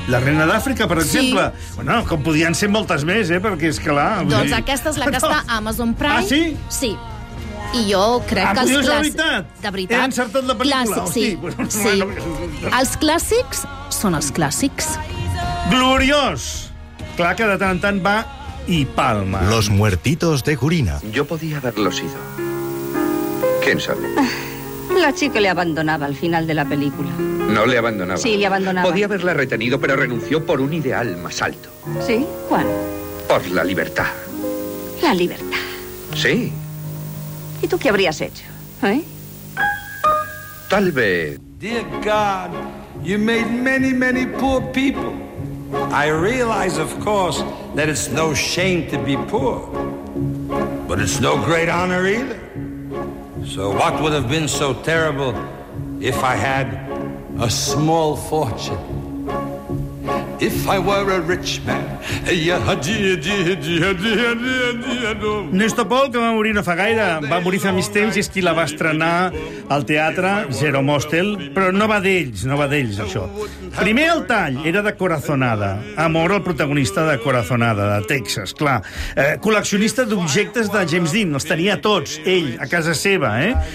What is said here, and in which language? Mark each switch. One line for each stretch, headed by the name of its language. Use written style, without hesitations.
Catalan: La reina d'Àfrica, per exemple. Bueno, com podien ser moltes més, perquè és clar... Doncs aquesta és la que està a Amazon Prime. Ah, sí? Sí. I jo crec que... Ah, la veritat? De veritat. He encertat la pel·lícula. Clàssics, sí. Sí. Els clàssics són els clàssics. Gloriós! Clar que de tant en tant va i palma.
Spanish: Los muertitos de Gorina. Yo podía haberlo sido. ¿Quién sabe? La chica le abandonaba al final de la película. ¿No le abandonaba? Sí, le abandonaba. Podía haberla retenido, pero renunció por un ideal más alto. ¿Sí? ¿Cuál? Por la libertad. ¿La libertad? Sí. ¿Y tú qué habrías hecho? Tal vez...
English: Dear God, you made many, many poor people. I realize, of course, that it's no shame to be poor. But it's no great honor either. So what would have been so terrible if I had a small fortune. If I were a rich man, yeah, dear, dear, dear, dear, dear, dear, no.
Catalan: Néstor Pol, que va morir no fa gaire, va morir fa més temps i és qui la va estrenar al teatre, Zero Mostel, però no va d'ells, no va d'ells, això. Primer el tall era de Corazonada, amor al protagonista de Corazonada, de Texas, clar. Col·leccionista d'objectes de James Dean, els tenia tots, ell, a casa seva, eh?